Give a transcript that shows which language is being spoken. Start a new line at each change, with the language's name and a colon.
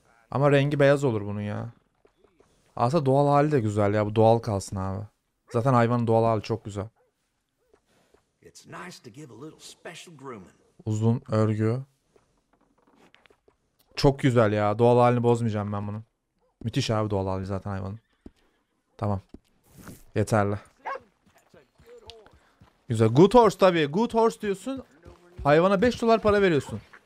Turkish: Ama rengi beyaz olur bunun ya. Aslında doğal hali de güzel ya. Bu doğal kalsın abi. Zaten hayvanın doğal hali çok güzel.
English: It's nice to give a little special grooming.
Turkish: Uzun örgü. Çok güzel ya. Doğal halini bozmayacağım ben bunun. Müthiş abi doğal hali zaten hayvanın. Tamam. Yeterli. Güzel.
English: Good horse
Turkish: tabii. Good horse diyorsun. Hayvana 5 dolar para veriyorsun.